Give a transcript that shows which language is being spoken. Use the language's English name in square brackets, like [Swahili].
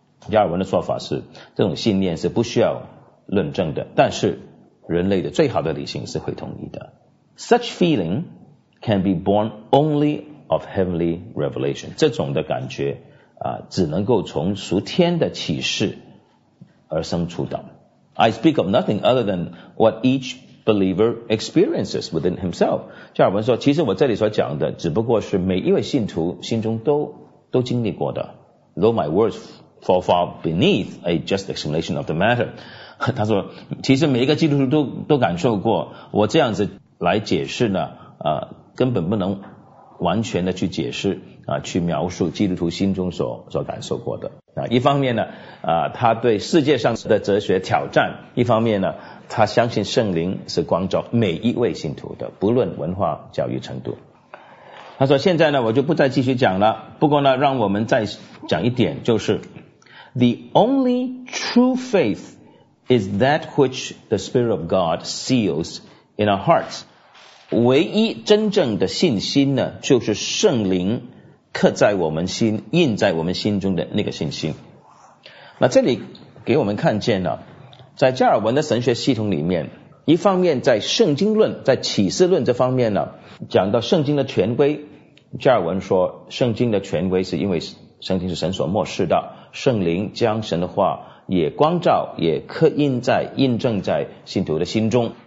[Chinese] 加尔文的说法是，这种信念是不需要论证的，但是人类的最好的理性是会同意的。 [English] Such feeling can be born only of heavenly revelation. [Chinese] 这种的感觉啊，只能够从属天的启示而生出的。 [English] I speak of nothing other than what each believer experiences within himself. [Chinese] 加尔文说，其实我这里所讲的只不过是每一位信徒心中都经历过的。 [English] Though my words fall far beneath a just explanation of the matter. [Chinese] 他说，其实每一个基督徒都感受过，我这样子来解释呢，根本不能完全的去解释啊，去描述基督徒心中所感受过的啊。一方面呢，他对世界上的哲学挑战；一方面呢，他相信圣灵是光照每一位信徒的，不论文化教育程度。他说：“现在呢，我就不再继续讲了。不过呢，让我们再讲一点，就是 [English] The only true faith is that which the Spirit of God seals in our hearts. [Chinese] 唯一真正的信心呢，就是圣灵刻在我们心、印在我们心中的那个信心。那这里给我们看见了，在加尔文的神学系统里面，一方面在圣经论、在启示论这方面呢，讲到圣经的权威，加尔文说圣经的权威是因为圣经是神所默示的，圣灵将神的话也光照、也刻印在、印证在信徒的心中。